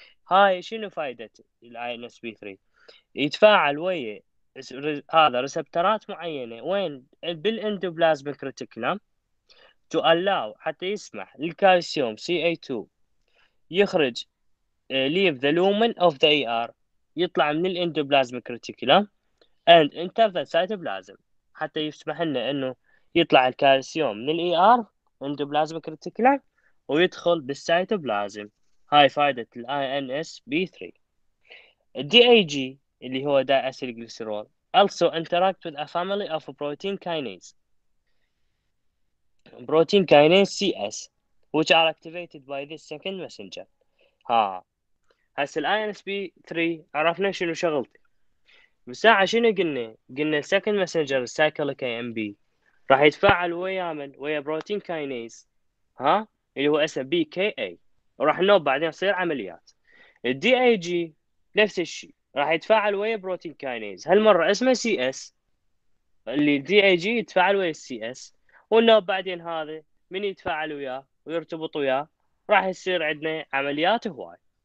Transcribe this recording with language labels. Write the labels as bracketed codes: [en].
[ar] هاي شنو فائده الاي ان اس بي 3؟ يتفاعل ويا هذا ريسبتورات معينه وين؟ بالاندوبلازميك ريتيكولم، [en] to allow [ar] حتى يسمح للكالسيوم سي اي 2 يخرج [en] leave the lumen of the E R, [ar] يطلع من الاندوبلازميك ريتيكولم [en] and enter the cytoplasm, [ar] حتى يسمح لنا انه يطلع الكالسيوم من الاي ار اندوبلازميك ريتيكولم ويدخل بالسايتوبلازم. هاي فائده الاي ان اس بي 3. [en] الدي A G اللي هو diacylglycerol also interact with a family of protein kinase. Protein kinase C S which are activated by this second messenger. [ar] ها هسه الاي ان اس بي 3 عرفنا شنو شغلته. بساعة شنو قلنا؟ قلنا السكند ماسنجر السايكليك اي ام بي راح يتفاعل ويا من؟ ويا بروتين كاينيز، ها؟ اللي هو اسمه بي كي اي، وراح نوب بعدين تصير عمليات. الدي اي جي نفس الشيء راح يتفاعل ويا بروتين كاينيز، هالمرة اسمه سي اس، اللي الدي اي جي يتفاعل ويا السي اس، والنوب بعدين هذا من يتفاعل وياه ويرتبط وياه راح يصير عندنا عمليات هواي.